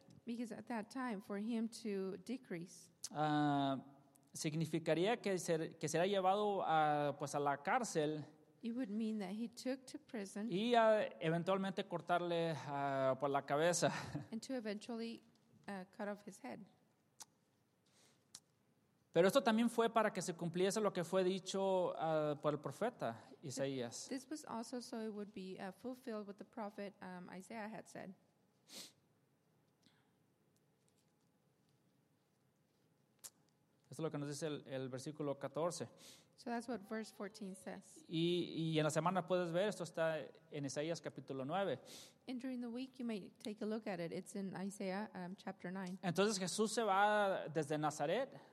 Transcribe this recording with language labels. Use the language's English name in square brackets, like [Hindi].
[English] Because at that time, for him to decrease. [Spanish] Significaría que será llevado pues a la cárcel. [English] It would mean that he took to prison. [Spanish] Y eventualmente cortarle por la cabeza. [English] And to eventually cut off his head. [Spanish] Pero esto también fue para que se cumpliese lo que fue dicho por el profeta Isaías. [English] This was also so it would be fulfilled what the prophet Isaiah had said. [Spanish] Esto es lo que nos dice el versículo 14. [English] So that's what verse 14 says. [Spanish] Y en la semana puedes ver, esto está en Isaías capítulo 9. [English] And during the week you may take a look at it. It's in Isaiah chapter 9. [Spanish] Entonces Jesús se va desde Nazaret.